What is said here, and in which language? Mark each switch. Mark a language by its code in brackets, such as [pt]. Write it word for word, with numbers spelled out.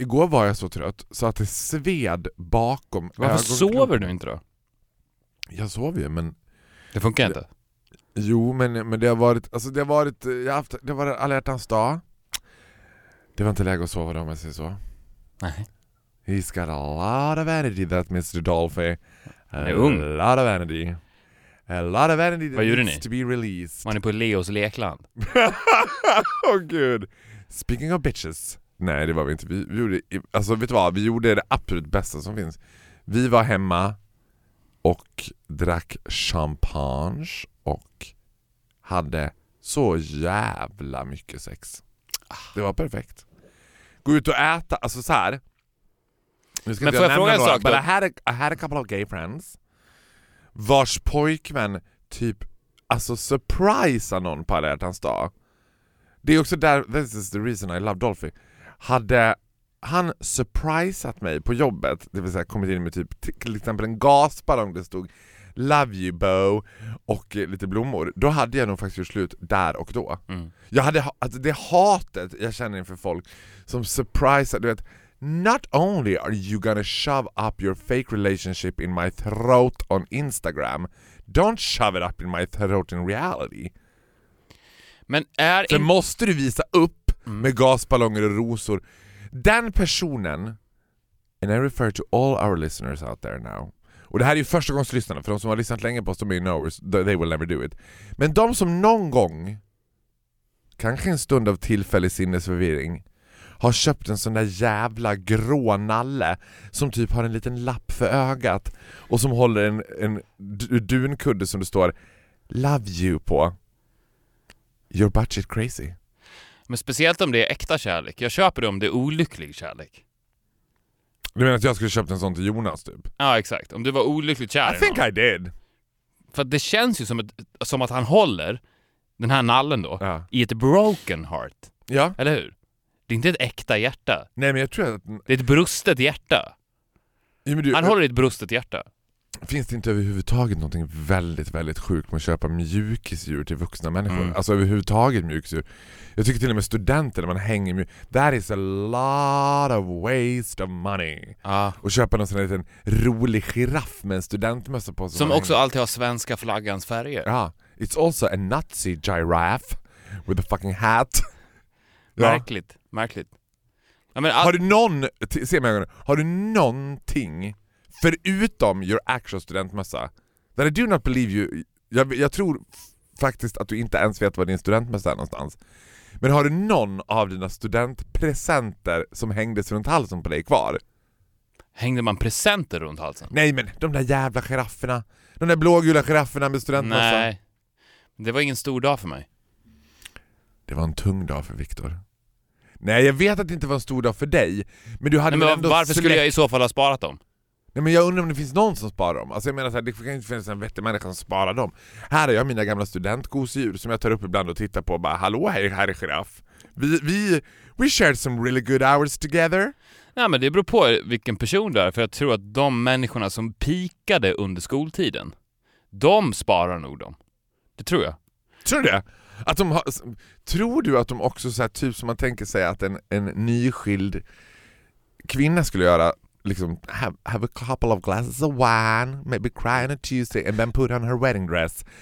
[sv] Igår var jag så trött så att det sved bakom. Varför sover du inte då? Jag sover ju, men... Det funkar inte? Jo, men, men det har varit... Alltså det har varit... Jag har haft, det var alla hjärtans dag. Det var inte läge att sova då, om jag säger så. Nej. [en] He's got a lot of energy, that mister Dolphy. [sv] Han är ung. [en] A lot of energy. A lot of energy that needs to be released. [sv] Var ni på Leos lekland? Oh gud. [en] Speaking of bitches. [sv] Nej, det var vi inte. Vi, vi gjorde, alltså vet du vad? Vi gjorde det absolut bästa som finns. Vi var hemma och drack champagne och hade så jävla mycket sex. Det var perfekt. Gå ut och äta, alltså så här. Nu ska men inte jag fråga en sak då? [en] But I had, a, I had a couple of gay friends [sv] vars pojkvän typ alltså surprisea någon på alla hjärtans dag. Det är också där, [en] this is the reason I love Dolphy. [sv] Hade han surpriseat mig på jobbet, det vill säga kommit in med typ till exempel en gasballong där det stod love you Bo och eh, lite blommor, då hade jag nog faktiskt gjort slut där och då. Mm. Jag hade alltså det hatet jag känner inför folk som surprisear, du vet. [en] Not only are you gonna shove up your fake relationship in my throat on Instagram, don't shove it up in my throat in reality. [sv] Men är in- måste du visa upp mm. med gasballonger och rosor. Den personen, [en] and I refer to all our listeners out there now. [sv] Och det här är ju första gångs lyssnarna, för de som har lyssnat länge på oss, de är ju knowers, [en] they will never do it. [sv] Men de som någon gång, kanske en stund av tillfällig sinnesförvirring, har köpt en sån där jävla grå nalle som typ har en liten lapp för ögat och som håller en, en dunkudde som det står love you på. [en] Your budget crazy. [sv] Men speciellt om det är äkta kärlek. Jag köper det om det är olycklig kärlek. Du menar att jag skulle köpt en sån till Jonas typ? Ja, exakt. Om du var olyckligt kär. [en] I think I did. [sv] För det känns ju som, ett, som att han håller den här nallen då ja. I ett [en] broken heart. [sv] Ja. Eller hur? Det är inte ett äkta hjärta. Nej, men jag tror att... Det är ett brustet hjärta. Ja, men du... Han håller i ett brustet hjärta. Finns det inte överhuvudtaget någonting väldigt, väldigt sjukt med att köpa mjukisdjur till vuxna människor? Mm. Alltså överhuvudtaget mjukisdjur. Jag tycker till och med studenter när man hänger mjuk... [en] That is a lot of waste of money. Ah. [sv] Och köpa någon sån här liten rolig giraff med en studentmössa på sig. Som också hänger. Alltid har svenska flaggans färger. Ja. [en] It's also a Nazi giraffe with a fucking hat. [sv] Ja. Märkligt, märkligt. Ja, men all- har du någon, t- se mig ögonen, har du någonting förutom [en] your actual [sv] studentmössa? [en] That I do not believe you. [sv] Jag, jag tror f- faktiskt att du inte ens vet var din studentmössa är någonstans. Men har du någon av dina studentpresenter som hängdes runt halsen på dig kvar? Hängde man presenter runt halsen? Nej, men de där jävla girafferna. De där blågula girafferna med studentmössa. Nej, det var ingen stor dag för mig. Det var en tung dag för Viktor. Nej, jag vet att det inte var en stor dag för dig. Men du hade Nej, men ändå varför släkt... skulle jag i så fall ha sparat dem? Nej, men jag undrar om det finns någon som sparar dem. Alltså jag menar så här, det kan inte finnas en vettig människa som sparar dem. Här är jag mina gamla studentgosedjur som jag tar upp ibland och tittar på och bara hallå, här är, här är giraff. Vi, vi, [en] we shared some really good hours together. [sv] Nej, men det beror på vilken person det är. För jag tror att de människorna som pikade under skoltiden, de sparar nog dem. Det tror jag. Tror du det? Att de har, tror du att de också så här, typ som man tänker sig att en, en nyskild kvinna skulle göra liksom [en] have, have a couple of glasses of wine, maybe cry on a Tuesday and then put on her wedding dress.